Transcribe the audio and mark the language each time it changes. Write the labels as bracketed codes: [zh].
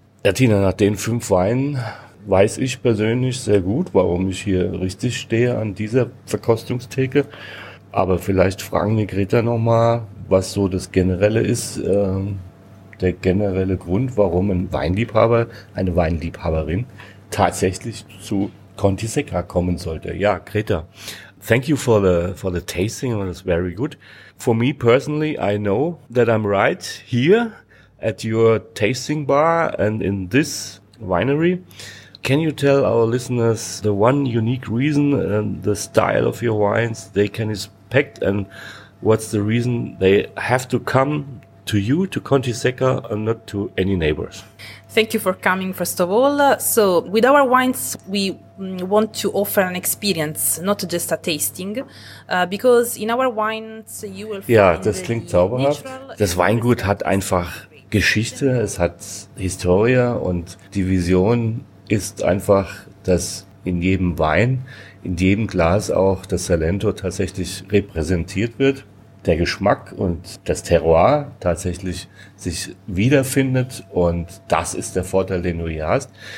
[de] Ja, Tina, nach den 5 Weinen weiß ich persönlich sehr gut, warum ich hier richtig stehe an dieser Verkostungstheke. Aber vielleicht fragen wir Greta nochmal, was so das Generelle ist, der generelle Grund, warum ein Weinliebhaber, eine Weinliebhaberin tatsächlich zu Conti Secca kommen sollte. [en] Ja, Greta, thank you for the tasting. It was very good. For me personally, I know that I'm right here at your tasting bar and in this winery. Can you tell our listeners the one unique reason and the style of your wines they can expect, and what's the reason they have to come to you, to Conti Secca, and not to any neighbors? Thank you for coming, first of all. So with our wines, we want to offer an experience, not just a tasting, because in our wines you will find... [de] Ja, das klingt zauberhaft. Das Weingut hat einfach Geschichte, es hat Historie, und die Vision ist einfach, dass in jedem Wein, in jedem Glas auch das Salento tatsächlich repräsentiert wird, der Geschmack und das Terroir tatsächlich sich wiederfindet, und das ist der Vorteil, den du hier hast.